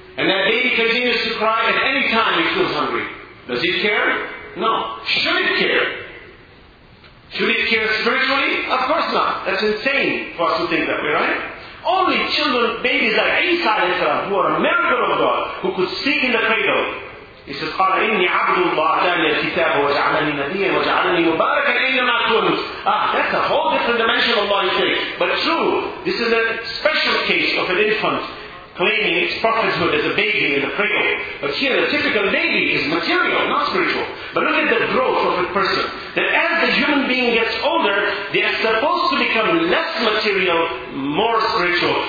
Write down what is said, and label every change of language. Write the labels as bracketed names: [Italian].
[English] And that baby continues to cry at any time he feels hungry. Does it care? No. Should it care? Should it care spiritually? Of course not. That's insane for us to think that way, right? Only children, babies like Isa al-Islam, who are a miracle of God, who could speak in the cradle. He says, [Arabic] قال إني عبد الله أتاني الكتاب وجعلني نبيا وجعلني مباركا أينما كنت. [English] Ah, that's a whole different dimension of Allah is saying. But true, this is a special case of an infant claiming its prophethood as a baby in the cradle. But here, a typical baby is material, not spiritual. But look at the growth of a person. That as the human being gets older, they are supposed to become less material, more spiritual.